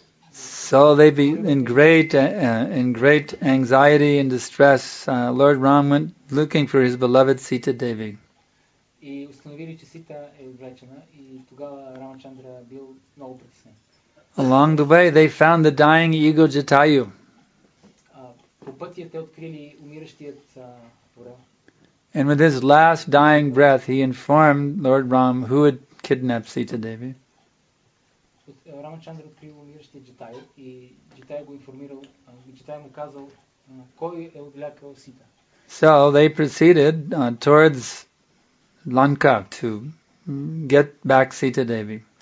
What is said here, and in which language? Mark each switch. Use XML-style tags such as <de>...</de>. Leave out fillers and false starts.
<en>So they be in great anxiety and distress. Lord Ram went looking for his beloved Sita Devi.</en> <bg>И установили, че Сита е отвлечена и тогава Рамачандра бил много притеснен.</bg> <en>Along the way they found the dying eagle Jatayu.</en> <bg>По пътя те открили умиращият орел.</bg> <en>And with his last dying breath he informed Lord Ram who had kidnapped Sita Devi.</en> <bg>Рамачандра открил умиращият Джатайо и Джатайо го информирал, Джатайо му казал кой е отвлякал Сита.</bg> <en>So they proceeded towards Lanka to get back Sita Devi.</en>